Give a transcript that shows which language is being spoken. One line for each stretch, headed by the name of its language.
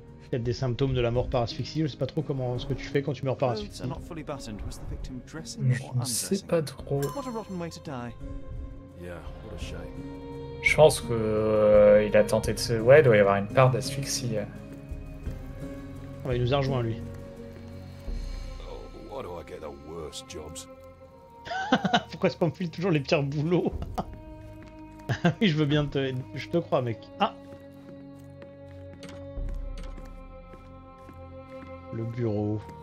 French: Peut-être des symptômes de la mort par asphyxie, je sais pas trop comment, ce que tu fais quand tu meurs par asphyxie. Je ne sais pas trop.
English: What a rotten way to die. Yeah, what a shame.
French: Je pense que il a tenté de se... Ouais, il doit y avoir une part d'asphyxie. Il nous a rejoint, lui.
English: Oh, why do I get the worst jobs?
French: Pourquoi est-ce qu'on me file toujours les pires boulots? Oui, je veux bien te... Je te crois, mec. Ah! Le bureau.